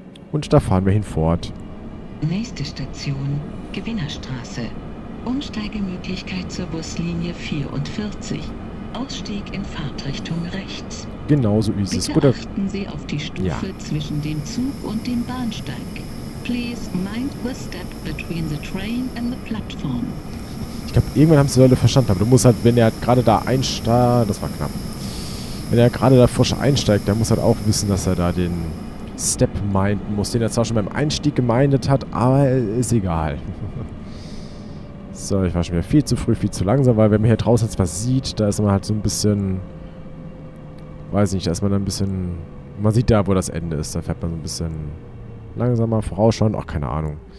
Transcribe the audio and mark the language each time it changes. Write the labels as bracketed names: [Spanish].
[German] Und da fahren wir hinfort. Nächste Station, Gewinnerstraße. Umsteigemöglichkeit zur Buslinie 44. Ausstieg in Fahrtrichtung rechts. Genauso ist es. Bitte achten Sie auf die Stufe zwischen dem Zug und dem Bahnsteig. [English] Please mind the step between the train and the platform. [German] Ich glaube, irgendwann haben sie die Leute verstanden. Aber du musst halt, wenn er gerade da einsteigt, das war knapp. Wenn er gerade da frisch einsteigt, dann muss er halt auch wissen, dass er da den Step meinen muss, den er zwar schon beim Einstieg gemeint hat, aber ist egal. So, ich war schon wieder viel zu früh, viel zu langsam, weil wenn man hier draußen jetzt was sieht, da ist man halt so ein bisschen, weiß nicht, da ist man ein bisschen, man sieht da, wo das Ende ist, da fährt man so ein bisschen langsamer, vorausschauend, auch keine Ahnung.